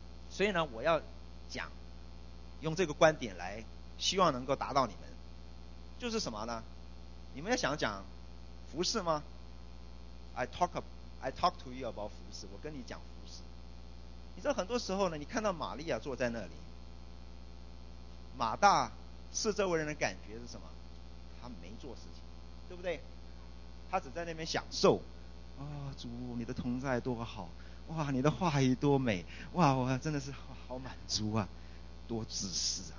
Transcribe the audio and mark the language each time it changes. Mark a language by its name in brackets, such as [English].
[Chinese] 所以呢，我要讲用这个观点来希望能够达到你们，就是什么呢？你们要想讲服事吗？ [English] I talk to you about [Chinese] 服事，我跟你讲服事。你知道很多时候呢，你看到玛利亚坐在那里，马大是这位人的感觉是什么？他没做事情，对不对？他只在那边享受啊、哦、主你的同在多好，哇你的话语多美，哇我真的是好满足啊，多自私啊！